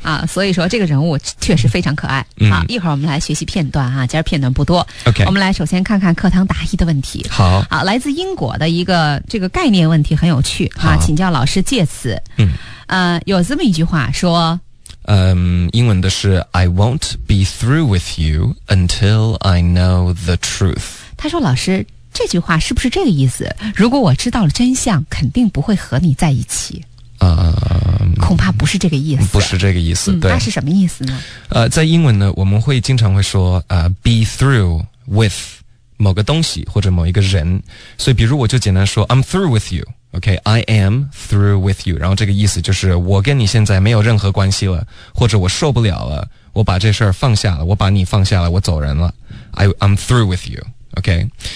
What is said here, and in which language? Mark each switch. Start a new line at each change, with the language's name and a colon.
Chinese: 所以说这个人物确实非常可爱、一会儿我们来学习片段啊，今儿片段不多、
English: okay.
Chinese: 我们来首先看看课堂答疑的问题。好、来自英国的一个这个概念问题很有趣、请教老师借此有这么一句话说英文的是
English: I won't be through with you until I know the truth。
Chinese: 他说老师这句话是不是这个意思，如果我知道了真相肯定不会和你在一起。恐怕不是这个意思，不是这个意思、对，那是什么意思呢？在英文呢我们会经常会说be through with某个东西或者某一个人，所以比如我就简单说
English: I'm through with you,
Chinese: OK, I am through with you, 然后这个意思就是我跟你现在没有任何关系了，或者我受不了了，我把这事儿放下了，我把你放下了，我走人了，
English: I'm through with you, OK,